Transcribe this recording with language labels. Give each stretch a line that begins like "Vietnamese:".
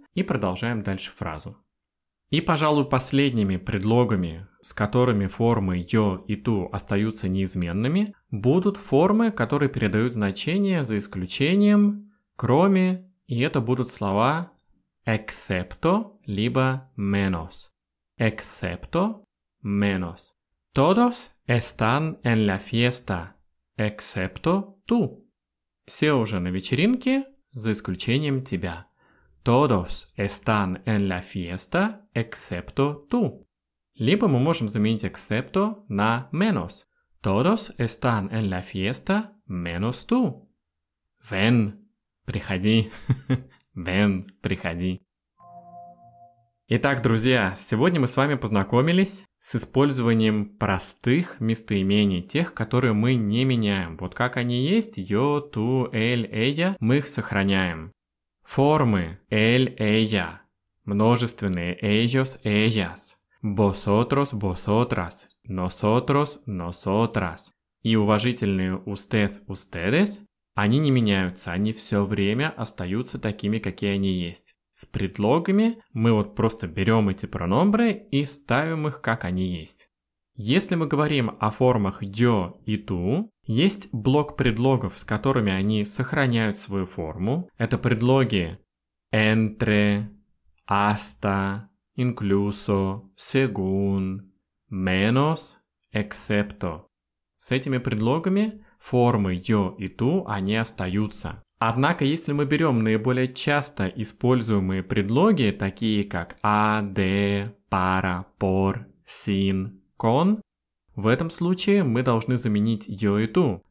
Russian: и продолжаем дальше фразу. И, пожалуй, последними предлогами, с которыми формы «йо» и «ту» остаются неизменными, будут формы, которые передают значение за исключением, кроме, и это будут слова «excepto» либо «menos».
Spanish: «Excepto» – «menos». «Todos están en la fiesta, excepto tú».
Russian: «Все уже на вечеринке, за исключением тебя».
Spanish: «Todos están en la fiesta, excepto tú».
Russian: Либо мы можем заменить «excepto» на «menos».
Spanish: «Todos están en la fiesta, menos tú». «Ven,
Russian: приходи».
Spanish: «Ven, приходи».
Russian: Итак, друзья, сегодня мы с вами познакомились с использованием простых местоимений, тех, которые мы не меняем. Вот как они есть, «yo», «tú», «él», «ella», мы их сохраняем. Формы «él», «ella», множественные «ellos», «ellas», «vosotros», «vosotras», «nosotros», «nosotras» и уважительные «usted», «ustedes», они не меняются, они все время остаются такими, какие они есть. С предлогами мы вот просто берем эти пронобры и ставим их, как они есть. Если мы говорим о формах «yo» и «tú», есть блок предлогов, с которыми они сохраняют свою форму. Это предлоги «entre», «hasta», «incluso», «según», «menos», «excepto». С этими предлогами формы «yo» и «tú» они остаются. Однако, если мы берем наиболее часто используемые предлоги, такие как «а», «де», «пара», «пор», «син», «кон», в этом случае мы должны заменить «йо» и «ту».